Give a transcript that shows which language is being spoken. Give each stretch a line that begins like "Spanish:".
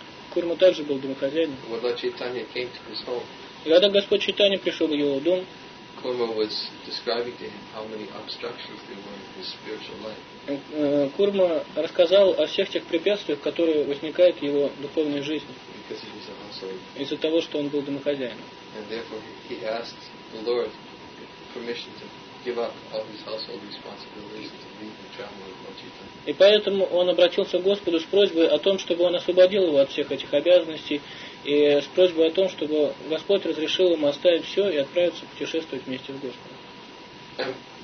Russian: Курма также был домохозяином.
English: Home,
Russian: и когда Господь Чайтани пришел в его дом,
English: Kurma was describing to him how many obstructions there were in his spiritual life.
Russian: Kurma рассказал о всех тех препятствиях, которые возникают в его духовной жизни.
English: Because he was a householder.
Russian: Из-за того, что он был домохозяином.
English: And therefore he asked the Lord permission to give up all his household responsibilities to be the traveler of Mochita.
Russian: И поэтому он обратился к Господу с просьбой о том, чтобы он освободил его от всех этих обязанностей, и с просьбой о том, чтобы Господь разрешил ему оставить все и отправиться путешествовать вместе с Господом.